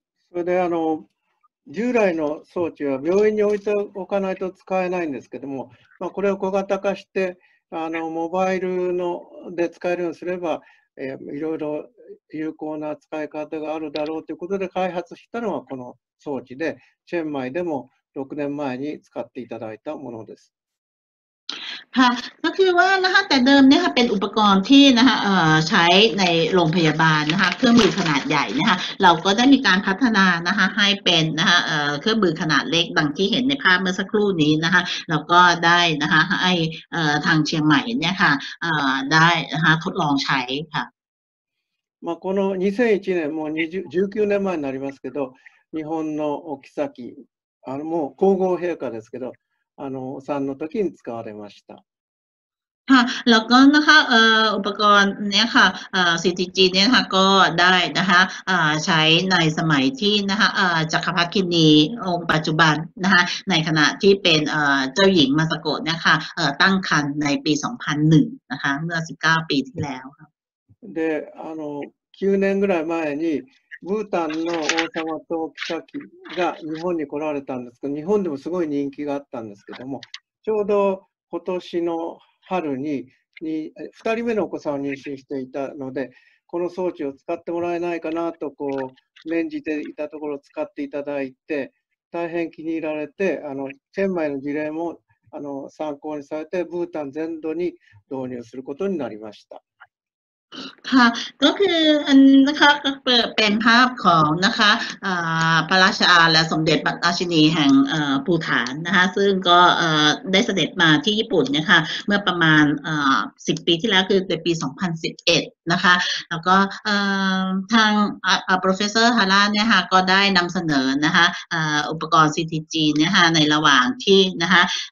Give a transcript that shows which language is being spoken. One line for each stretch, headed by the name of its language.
Japanese: それであの従来の装置は病院に置いておかないと使えないんですけども、まあ、これを小型化してあのモバイルので使えるようにすればいろいろ有効な使い方があるだろうということで開発したのはこの装置でチェンマイでも6年前に使っていただいたものです。
Thai: ค่ะก็คือว่านะคะแต่เดิมเนี่ยค่ะเป็นอุปกรณ์ที่นะคะใช้ในโรงพยาบาลนะคะเครื่องมือขนาดใหญ่นะคะเราก็ได้มีการพัฒนานะคะให้เป็นนะคะเครื่องมือขนาดเล็กดังที่เห็นในภาพเมื่อสักครู่นี้นะคะเราก็ได้นะคะให้ทางเชียงใหม่เนี่ยค่ะได้นะคะทดลองใช้ค่ะ
Japanese: まあこの2001年もう19年前になりますけど日本の Okisaki あのもう皇后陛下ですけどあのお産の時に使われました。
Thai: ค่ะแล้วก็นะคะอุปกรณ์เนี่ยค่ะCTG เนี่ยค่ะก็ได้นะคะใช้ในสมัยที่นะคะจักรพรรดิกินีองค์ปัจจุบันนะคะในขณะที่เป็นเจ้าหญิงมาสโกะเนี่ยค่ะตั้งครรภ์ในปี2001นะคะเมื่อ19ปีที่แล้วค่ะ
Japanese: で、あの、9年ぐらい前にブータンの王様とピシャキが日本に来られたんですけど、日本でもすごい人気があったんですけども、ちょうど今年の春 に2人目のお子さんを妊娠していたので、この装置を使ってもらえないかなとこう念じていたところを使っていただいて、大変気に入られて、あのチェンマイの事例もあの参考にされて、ブータン全土に導入することになりました。
Thai: ค่ะก็คืออันนะคะก็เป็นภาพของนะคะพระราชาและสมเด็จพระราชินีแห่งภูฐานนะคะซึ่งก็ได้เสด็จมาที่ญี่ปุ่นนะคะเมื่อประมาณ10ปีที่แล้วคือในปี2011นะคะแล้วก็ทาง professor ฮาราเนี่ยค่ะก็ได้นำเสนอนะคะอุปกรณ์ CTG เนี่ยค่ะในระหว่างที่นะคะ